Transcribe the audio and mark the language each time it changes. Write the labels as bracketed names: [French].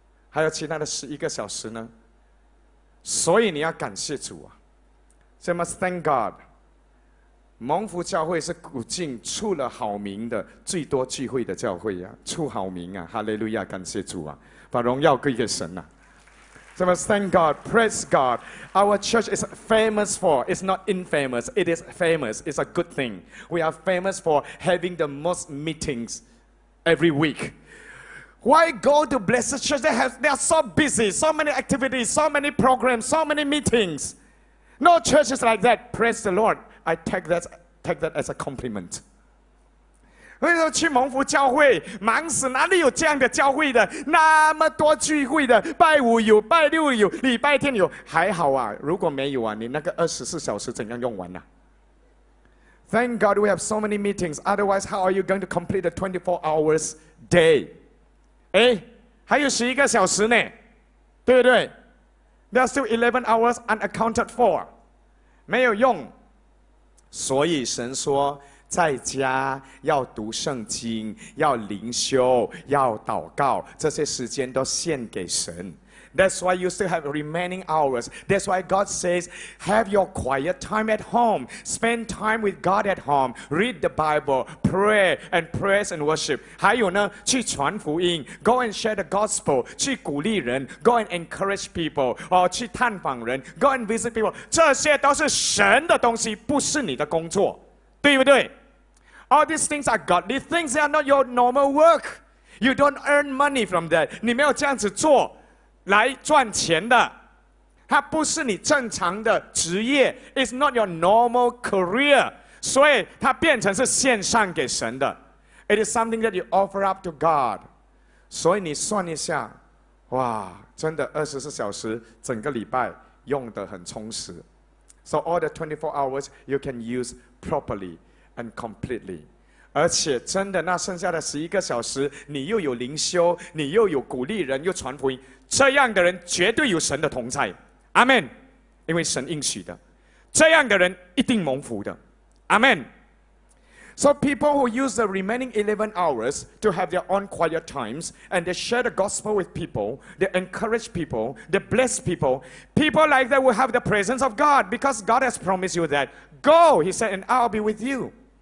[Chinese] 还有其他的11个小时呢，所以你要感谢主啊。 [English] So you must thank God. [Chinese] 蒙福教会是古今出了好名的最多聚会的教会啊，出好名啊，哈利路亚，感谢主啊，把荣耀归给神啊。 [English] So you must thank God, praise God. Our church is famous for, it's not infamous, it is famous, it's a good thing. We are famous for having the most meetings every week. Why go to Blessed Church? They are so busy, so many activities, so many programs, so many meetings. No church is like that. Praise the Lord. I take that as a compliment. [Chinese] 为什么去蒙福教会忙死？哪里有这样的教会的？那么多聚会的，拜五有，拜六有，礼拜天有。还好啊，如果没有啊，你那个24小时怎样用完啊？ [English] Thank God we have so many meetings. Otherwise, how are you going to complete the 24 hours day? [Chinese] 哎，还有十一个小时呢，对不对 [English] ？There are still 11 hours unaccounted for， [Chinese] 没有用。所以神说，在家要读圣经，要灵修，要祷告，这些时间都献给神。 [English] That's why you still have remaining hours. That's why God says, have your quiet time at home. Spend time with God at home. Read the Bible, pray, and praise and worship. [Chinese] 还有呢，去传福音， [English] go and share the gospel, [Chinese] 去鼓励人， [English] go and encourage people, [Chinese] 去探访人， [English] go and visit people. [Chinese] 这些都是神的东西，不是你的工作。对不对？ [English] All these things are godly things. They are not your normal work. You don't earn money from that. [Chinese] 你没有这样子做来赚钱的。它不是你正常的职业。 [English] It's not your normal career. [Chinese] 所以它变成是献上给神的。 [English] It is something that you offer up to God. [Chinese] 所以你算一下，哇，真的二十四小时整个礼拜用得很充实。 [English] So all the 24 hours you can use properly and completely. [Chinese] 而且真的那剩下的十一个小时，你又有灵修，你又有鼓励人，又传福音，这样的人绝对有神的同在。阿门。因为神应许的，这样的人一定蒙福的。阿门。 [English] So people who use the remaining 11 hours to have their own quiet times and they share the gospel with people, they encourage people, they bless people, people like that will have the presence of God because God has promised you that. Go, he said, and I'll be with you.